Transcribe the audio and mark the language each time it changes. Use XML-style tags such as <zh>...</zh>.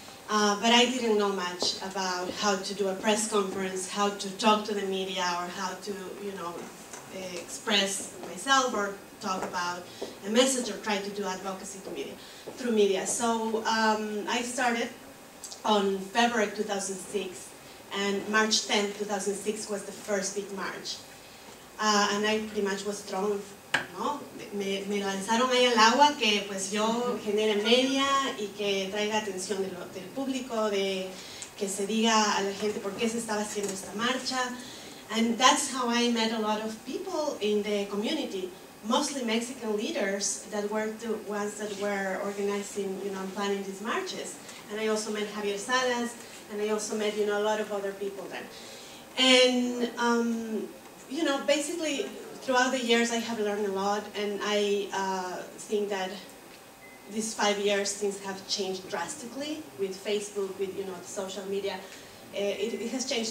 <en>But I didn't know much about how to do a press conference, how to talk to the media, or how to, you know, express myself or talk about a message or try to do advocacy to media, through media. So I started on February 2006, and March 10th, 2006 was the first big march. And I pretty much was thrown, ¿no?</en> <es>Me lanzaron ahí al agua que pues yo genere media y que traiga atención del público, de que se diga a la gente por qué se estaba haciendo esta marcha.</es> <en>And that's how I met a lot of people in the community, mostly Mexican leaders that were the ones that were organizing, you know, and planning these marches. And I also met Javier Salas, and I also met, you know, a lot of other people then. And, you know, basically, throughout the years, I have learned a lot, and I think that these 5 years, things have changed drastically with Facebook, with, you know, the social media. It has changed.</en>